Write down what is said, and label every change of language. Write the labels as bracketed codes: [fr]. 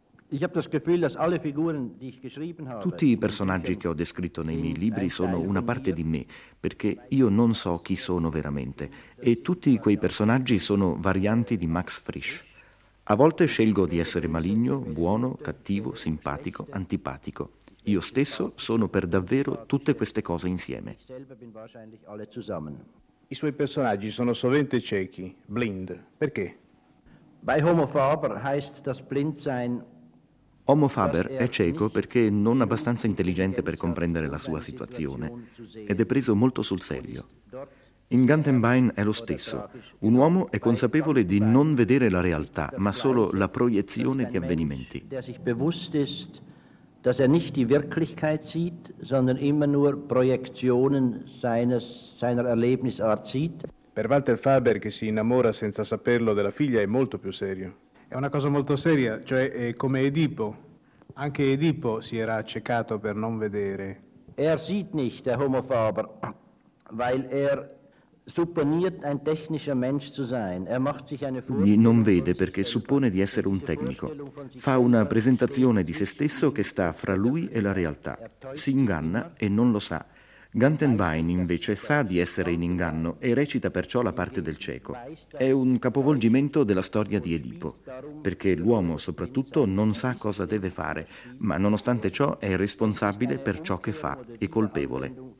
[it] Tutti i personaggi che ho descritto nei miei libri sono una parte di me, perché io non so chi sono veramente, e tutti quei personaggi sono varianti di Max Frisch. A volte scelgo di essere maligno, buono, cattivo, simpatico, antipatico. Io stesso sono per davvero tutte queste cose insieme. I suoi personaggi sono sovente ciechi, blind. Perché? [de] Bei Homo Faber heißt das Blindsein. [it] Homo Faber è cieco perché non abbastanza intelligente per comprendere la sua situazione ed è preso molto sul serio. In Gantenbein è lo stesso. Un uomo è consapevole di non vedere la realtà, ma solo la proiezione di avvenimenti. [de] Dass er nicht die Wirklichkeit sieht, sondern immer nur Projektionen seiner Erlebnisart sieht. [it] Per Walter Faber, che si innamora senza saperlo della figlia, è molto più serio. È una cosa molto seria, cioè è come Edipo. Anche Edipo si era accecato per non vedere. [de] Er sieht nicht, der Homo Faber, weil er supponiert ein technischer Mensch zu sein. Er macht sich eine Vorstellung. [it] Lui non vede perché suppone di essere un tecnico. Fa una presentazione di se stesso che sta fra lui e la realtà. Si inganna e non lo sa. Gantenbein invece sa di essere in inganno e recita perciò la parte del cieco. È un capovolgimento della storia di Edipo, perché l'uomo soprattutto non sa cosa deve fare, ma nonostante ciò è responsabile per ciò che fa e colpevole.